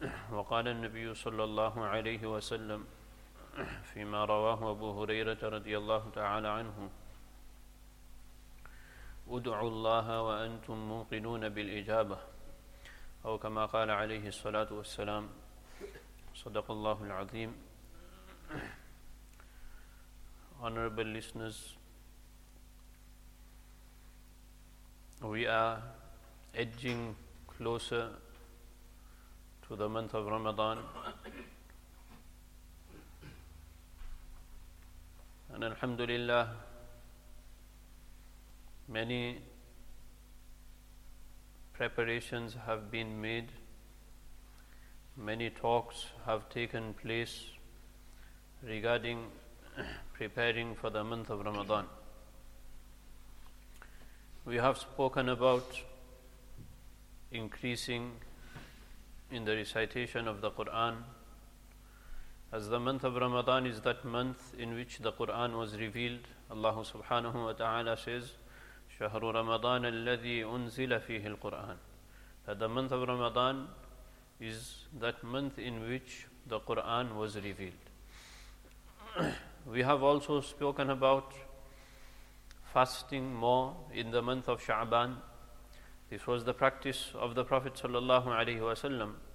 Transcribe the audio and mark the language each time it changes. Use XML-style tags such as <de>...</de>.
<ar>وقال النبي صلى الله عليه وسلم فيما رواه أبو هريرة رضي الله تعالى عنه: ادعوا الله وأنتم موقنون بالإجابة، أو كما قال عليه الصلاة والسلام، صدق الله العظيم.</ar> <en>Honorable listeners, we are edging closer to the month of Ramadan, and alhamdulillah, many preparations have been made, many talks have taken place regarding preparing for the month of Ramadan. We have spoken about increasing in the recitation of the Quran, as the month of Ramadan is that month in which the Quran was revealed. Allah subhanahu wa ta'ala says,</en> <ar>شهر رمضان الذي أنزل فيه القرآن.</ar> <en>That the month of Ramadan is that month in which the Quran was revealed. We have also spoken about fasting more in the month of Sha'ban. This was the practice of the Prophet sallallahu alaihi wasallam.</en>